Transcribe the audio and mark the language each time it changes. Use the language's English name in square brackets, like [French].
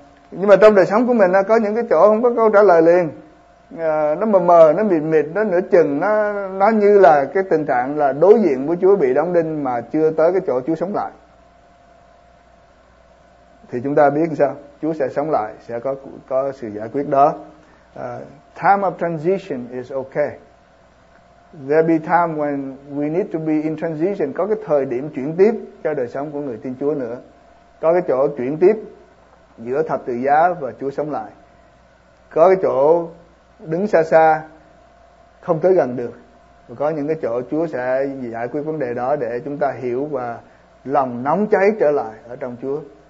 [Vietnamese] Nhưng mà trong đời sống của mình nó có những cái chỗ không có câu trả lời liền, nó mờ mờ, nó mịt mịt, nó nửa chừng, nó như là cái tình trạng là đối diện với Chúa bị đóng đinh mà chưa tới cái chỗ Chúa sống lại. Thì chúng ta biết sao? Chúa sẽ sống lại, sẽ có sự giải quyết đó. [English] Time of transition is okay. There be time when we need to be in transition. [Vietnamese] Có cái thời điểm chuyển tiếp cho đời sống của người tin Chúa nữa. Có cái chỗ chuyển tiếp giữa thập tự giá và Chúa sống lại. Có cái chỗ đứng xa xa, không tới gần được. Và có những cái chỗ Chúa sẽ giải quyết vấn đề đó để chúng ta hiểu và lòng nóng cháy trở lại ở trong Chúa.